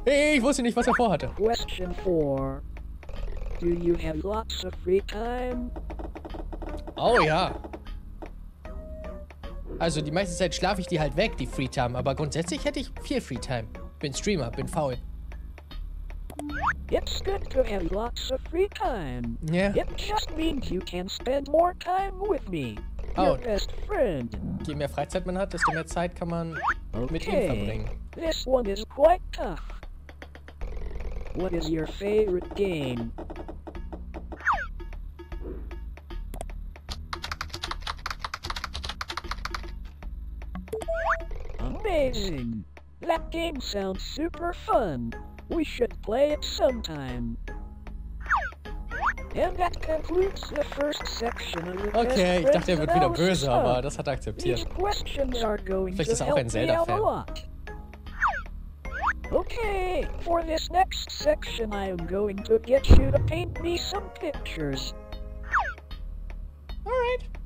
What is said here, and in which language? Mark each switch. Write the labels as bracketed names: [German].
[German] Hey, ich wusste nicht, was er vorhatte. [English] Question 4. Do you have lots of free time? [German] Oh ja. Also die meiste Zeit schlafe ich die halt weg, die Free Time, aber grundsätzlich hätte ich viel Free Time. Bin Streamer, bin faul. [English] It's good to have lots of free time. Yeah. It just means you can spend more time with me. Your best friend. [German] Je mehr Freizeit man hat, desto mehr Zeit kann man mit ihm verbringen. [English] This one is quite tough. What is your favorite game? Amazing! That game sounds super fun. We should play it sometime. And that concludes the first section of the best friend analysis. [German] Okay, ich dachte, er wird wieder böse, aber das hat er akzeptiert. [English] These questions are going [German] Vielleicht [English] to [German] ist er auch ein Zelda-Fan. [English] Okay, for this next section I am going to get you to paint me some pictures. Alright.